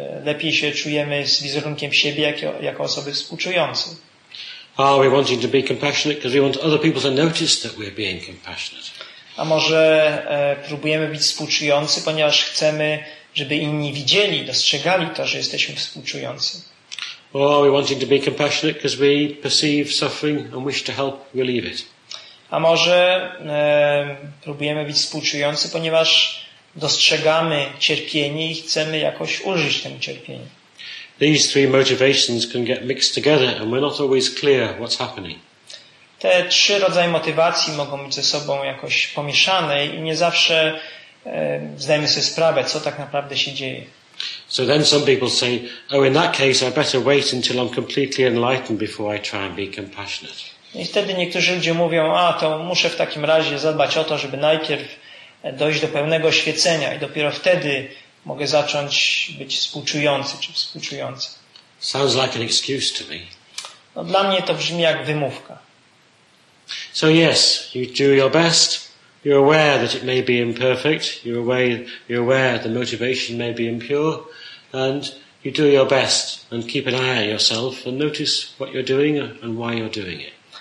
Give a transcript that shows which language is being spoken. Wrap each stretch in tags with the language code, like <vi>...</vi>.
<pl>Lepiej się czujemy z wizerunkiem siebie jako osoby współczującej.</pl> <en>Are we wanting to be compassionate because we want other people to notice that we're being compassionate?</en> <pl>A może próbujemy być współczujący, ponieważ chcemy, żeby inni widzieli, dostrzegali to, że jesteśmy współczujący.</pl> <en>Or are we wanting to be compassionate because we perceive suffering and wish to help relieve it?</en> <pl>A może próbujemy być współczujący, ponieważ dostrzegamy cierpienie i chcemy jakoś ulżyć temu cierpieniu.</pl> <en>These three motivations can get mixed together and we're not always clear what's happening.</en> <pl>Te trzy rodzaje motywacji mogą być ze sobą jakoś pomieszane i nie zawsze zdajemy sobie sprawę, co tak naprawdę się dzieje.</pl> <en>So then some people say, oh, in that case I better wait until I'm completely enlightened before I try and be compassionate.</en> <pl>I wtedy niektórzy ludzie mówią, a to muszę w takim razie zadbać o to, żeby najpierw dojść do pełnego oświecenia i dopiero wtedy mogę zacząć być współczujący czy współczujący.</pl> <en>Sounds like an excuse to me.</en> <pl>No, dla mnie to brzmi jak wymówka.</pl> <en>So yes, you do your best, You're aware that it may be imperfect. You're aware the motivation may be impure, and you do your best and keep an eye on yourself and notice what you're doing and why you're doing it.</en>